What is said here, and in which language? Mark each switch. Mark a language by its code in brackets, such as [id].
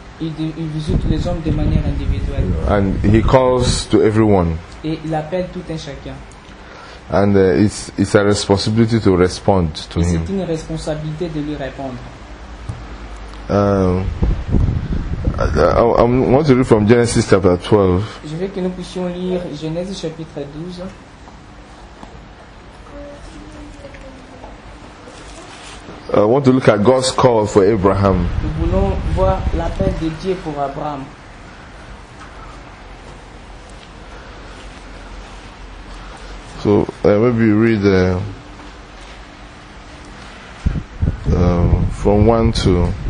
[fr] il visite les hommes de manière individuelle. [en] And he calls to everyone. [fr] Et il appelle tout un chacun. [en] And it's a responsibility to respond to him. [fr] C'est une responsabilité de lui répondre. [en] I want to read from Genesis chapter 12. [fr] Je veux que nous puissions lire Genèse chapitre 12. [en] I want to look at God's call for Abraham. [fr] Nous voulons voir l'appel de Dieu pour Abraham. [en] So maybe read from 1 to.